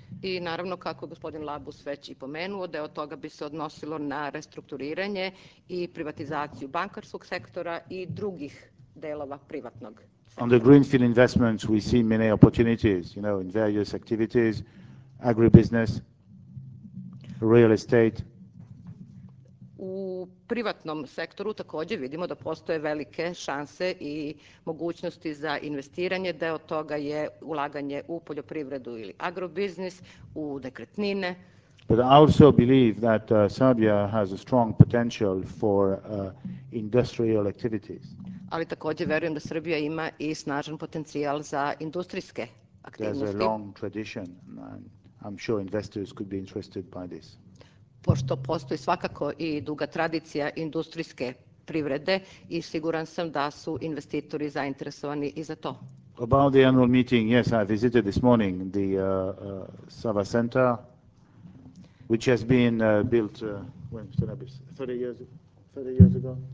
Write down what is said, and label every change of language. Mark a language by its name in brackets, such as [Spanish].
[Serbian] I naravno, kako gospodin Labus već i pomenuo, da od toga bi se odnosilo na restrukturiranje i privatizaciju bankarskog sektora i drugih delova privatnog sektora. [English] On the greenfield investments, we see many opportunities, you know, in various activities, agribusiness, real estate. [Serbian] U privatnom sektoru takođe vidimo da postoje velike šanse i mogućnosti za investiranje. Deo toga je ulaganje u poljoprivredu ili agrobiznis, u nekretnine. [English] But I also believe that Serbia has a strong potential for industrial activities. [Serbian] Ali takođe verujem da Srbija ima i snažan potencijal za industrijske aktivnosti. [English] There's a long tradition. I'm sure investors could be interested by this. [Serbian] Pošto postoji svakako i duga tradicija industrijske privrede i siguran sam da su investitori zainteresovani i za to. [English] About the annual meeting, yes, I visited this morning the Sava Center, which has been built when, 30 years ago.